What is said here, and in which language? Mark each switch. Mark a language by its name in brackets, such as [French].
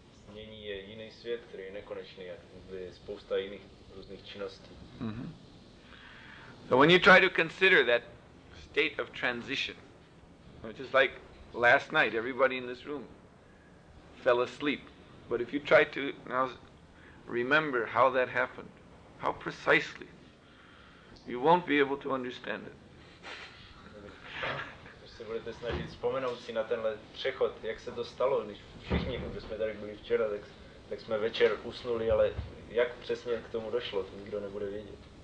[Czech] Změní je jiný svět, který je nekonečný, a je spousta jiných různých činností. Mm-hmm. [English] So when you try to consider that state of transition, just like last night, everybody in this room fell asleep. But if you try to now remember how that happened, how precisely, you won't be able to understand it. [Czech] Budete snažit vzpomenout si na tenhle přechod, jak se to stalo, když všichni, když jsme tady byli včera, tak jsme večer usnuli, ale jak přesně k tomu došlo, to nikdo nebude vědět.